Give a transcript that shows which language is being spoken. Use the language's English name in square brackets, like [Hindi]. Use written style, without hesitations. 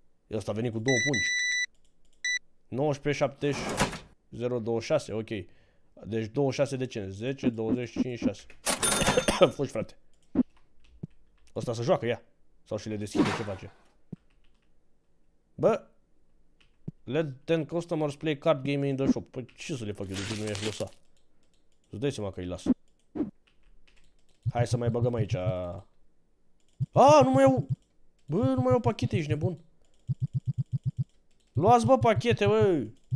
[Romanian] Ăsta a venit cu două pungi. 19.70.26, ok. Deci 26 de cent. 10, 25, 6. Fugi, frate. Ăsta să joacă, ia. Sau și le deschide, ce face? Bă. [English] Let 10 customers play card game in the shop. [Romanian] Păi ce să le fac eu, deci nu i-aș lăsa. Îți dai seama că îi las. Hai să mai băgăm aici. Nu mai iau. Bă, nu mai iau pachete, ești nebun. Luați, bă, pachete, bă!